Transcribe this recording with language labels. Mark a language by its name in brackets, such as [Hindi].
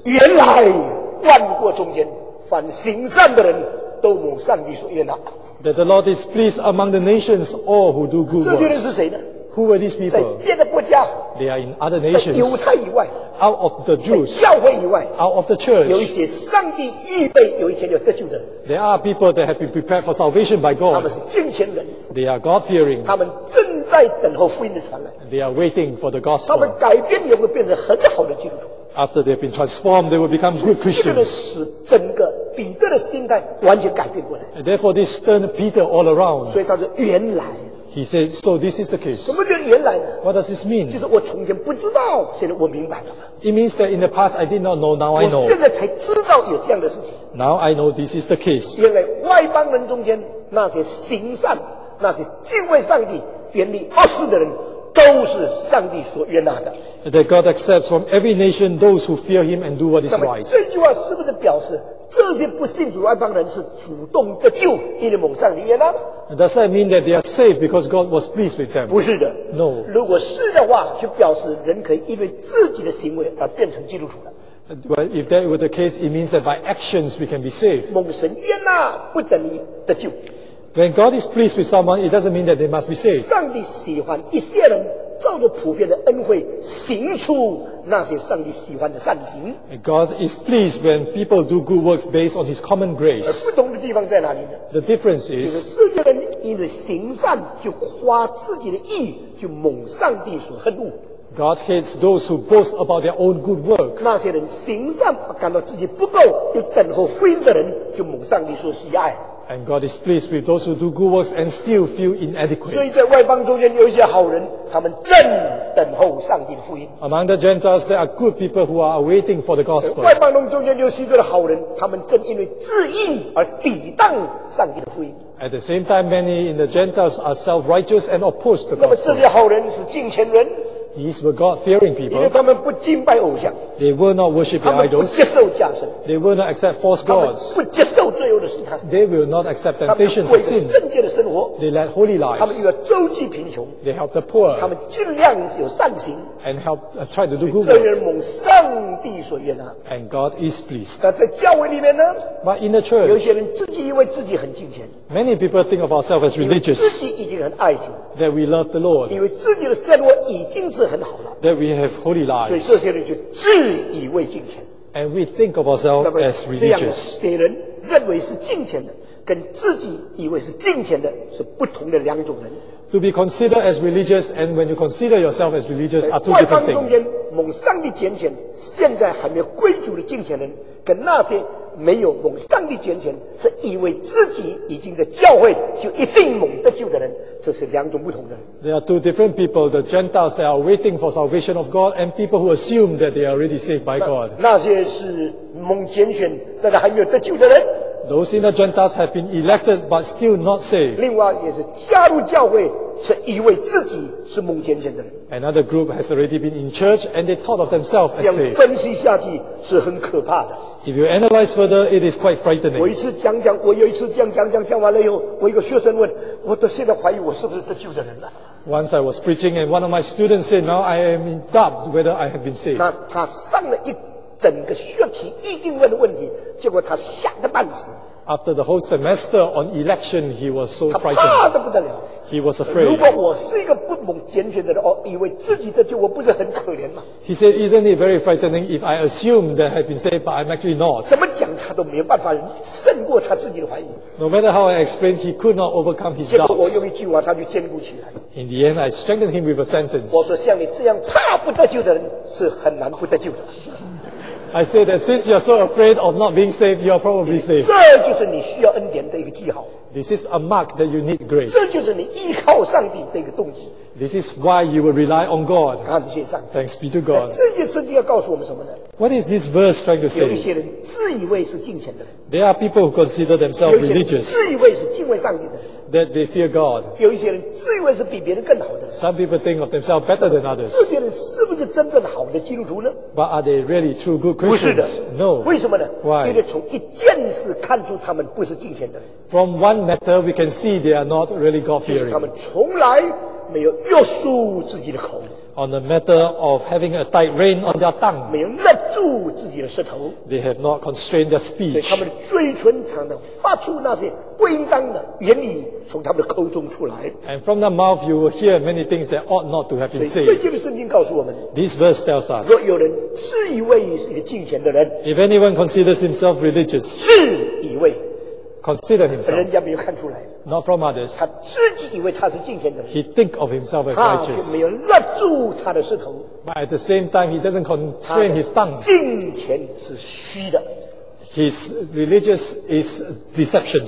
[Chinese] 原来万国中间，凡行善的人都蒙上帝所悦纳。 [English] That the Lord is pleased among the nations, all who do good works. [Chinese] 这些人是谁呢？ [English] Who were these people? [Chinese] 在别的国家。 [English] They are in other nations. [Chinese] 在犹太以外。 [English] Out of the Jews. [Chinese] 在教会以外。 [English] Out of the church. [Chinese] 有一些上帝预备有一天要得救的人。 [English] There are people that have been prepared for salvation by God. [Chinese] 他们是敬虔人。 [English] They are God-fearing. [Chinese] 他们正在等候福音的传来。 [English] They are waiting for the gospel. [Chinese] 他们改变也会变成很好的基督徒。 [English] After they have been transformed, they will become good Christians. [Chinese] 这个是整个彼得的心态完全改变过来。 [English] And therefore, this turned Peter all around. [Chinese] 所以他说原来。 [English] He said, "So this is the case." [Chinese] 什么叫原来呢 [English] ？What does this mean? [Chinese] 就是我从前不知道，现在我明白了。 [English] It means that in the past I did not know. Now I know. [Chinese] 我现在才知道有这样的事情。 [English] Now I know this is the case. [Chinese] 原来外邦人中间那些行善、那些敬畏上帝、远离恶事的人。都是上帝所悦纳的。 [English] That God accepts from every nation those who fear Him and do what is right. [Chinese] 这句话是不是表示这些不信主外邦人是主动得救，因为蒙上帝悦纳的 [English] ？Does that mean that they are saved because God was pleased with them? [Chinese] 不是的。 [English] No. [Chinese] 如果是的话，就表示人可以因为自己的行为而变成基督徒的。 [English] Well, if that were the case, it means that by actions we can be saved. [Chinese] 蒙神悦纳不等于得救。 [English] When God is pleased with someone, it doesn't mean that they must be saved. [Chinese] 上帝喜欢一些人照着普遍的恩惠行出那些上帝喜欢的善行。 [English] God is pleased when people do good works based on His common grace. [Chinese] 而不同的地方在哪里呢 [English] ？The difference is, [Chinese] 就是这些人因为行善就夸自己的义，就蒙上帝所恨恶。 [English] God hates those who boast about their own good work. [Chinese] 那些人行善感到自己不够，又等候福音的人，就蒙上帝所喜爱。 [English] And God is pleased with those who do good works and still feel inadequate. [Chinese] 所以在外邦中间有一些好人，他们正等候上帝的福音。 [English] Among the Gentiles, there are good people who are waiting for the gospel. [Chinese] 外邦中间有许多的好人，他们正因为自义而抵挡上帝的福音。 [English] At the same time, many in the Gentiles are self-righteous and oppose the gospel. [Chinese] 那么这些好人是敬虔人。 [English] These were God-fearing people. [Chinese] 因为他们不敬拜偶像。 [English] They were not worshiping idols. [Chinese] 他们不接受加深。 [English] They will not accept false gods. [Chinese] 他们不接受罪恶的试探。 [English] They will not accept temptations of sin. [Chinese] 他们过着圣洁的生活。 [English] They led holy lives. [Chinese] 他们又要周济贫穷。 [English] They help the poor. [Chinese] 他们尽量有善行。 [English] And help, try to do good work. [Chinese] 这人蒙上帝所悦纳。 [English] And God is pleased. [Chinese] 那在教会里面呢 [English] ？But in the church, [Chinese] 有些人自己以为自己很敬虔。 [English] Many people think of ourselves as religious. [Chinese] 自己已经很爱主。 [English] That we love the Lord. [Chinese] 因为自己的生活已经是很好了。 [English] That we have holy lives. [Chinese] 所以这些人就自以为敬虔。 [English] And we think of ourselves as religious. [Chinese] 别人认为是敬虔的，跟自己以为是敬虔的是不同的两种人。 [English] To be considered as religious and when you consider yourself as religious are two different things. [Chinese] 外邦中间蒙上帝拣选，现在还没有归主的敬虔人，跟那些没有蒙上帝拣选，是以为自己已经在教会就一定蒙得救的人，这是两种不同的人。 [English] There are two different people: the Gentiles that are waiting for salvation of God, and people who assume that they are already saved by God. [Chinese] 那些是蒙拣选，但是还没有得救的人。 [English] Those in the Gentiles have been elected but still not saved. [Chinese] 另外也是加入教会，是以为自己是蒙拣选的人。 [English] Another group has already been in church and they thought of themselves as saved. [Chinese] 这样分析下去是很可怕的。 [English] If you analyze further, it is quite frightening. [Chinese] 我有一次讲完了以后，我一个学生问，我到现在怀疑我是不是得救的人了。 [English] Once I was preaching and one of my students said, "Now I am in doubt whether I have been saved." [Chinese] 那他上了一整个学期一定问的问题，结果他吓得半死。 [English] After the whole semester on election, he was so frightened. [Chinese] 他怕得不得了。 [English] He was afraid. [Chinese] 如果我是一个不蒙拣选的人，哦，以为自己的救，我不是很可怜吗 [English] ？He said, "Isn't it very frightening if I assume that I have been saved, but I'm actually not?" [Chinese] 怎么讲他都没有办法胜过他自己的怀疑。 [English] No matter how I explained, he could not overcome his doubts. [Chinese] 结果我用一句话，他就坚固起来。 [English] In the end, I strengthened him with a sentence. [Chinese] 我说，像你这样怕不得救的人，是很难不得救的。 [English] I say that since you're so afraid of not being saved, you're probably saved. [Chinese] 这就是你需要恩典的一个记号。 [English] This is a mark that you need grace. [Chinese] 这就是你依靠上帝的一个动机。 [English] This is why you will rely on God. [Chinese] 感谢上帝。 [English] Thanks be to God. [Chinese] 这些圣经要告诉我们什么呢 [English] ？What is this verse trying to say? [Chinese] 有一些人自以为是敬虔的人。 [English] There are people who consider themselves religious. [Chinese] 自以为是敬畏上帝的人。 [English] That they fear God. [Chinese] 有一些人自以为是比别人更好的人。 [English] Some people think of themselves better than others. [Chinese] 这些人是不是真正好的基督徒呢 [English] ？But are they really true good Christians? [Chinese] 不是的。 [English] No. [Chinese] 为什么呢 [English] ？Why? [Chinese] 因为从一件事看出他们不是敬虔的人。 [English] From one matter, we can see they are not really God-fearing. [Chinese] 就是他们从来没有约束自己的口。 [English] On the matter of having a tight rein on their tongue. [Chinese] 没有勒住自己的舌头。 [English] They have not constrained their speech. [Chinese] 所以他们的嘴唇常常发出那些不应当的言语从他们的口中出来。 [English] And from their mouth you will hear many things that ought not to have been said. [Chinese] 所以最近的圣经告诉我们。 [English] This verse tells us. [Chinese] 若有人自以为是一个敬虔的人。 [English] If anyone considers himself religious. [Chinese] 自以为。 [English] Consider himself. [Chinese] 人家没有看出来。 [English] Not from others. [Chinese] 他自己以为他是敬虔的人。 [English] He think of himself as righteous. [Chinese] 他却没有勒住他的舌头。 [English] But at the same time, he doesn't constrain his tongue. [Chinese] 敬虔是虚的。 [English] His religious is deception.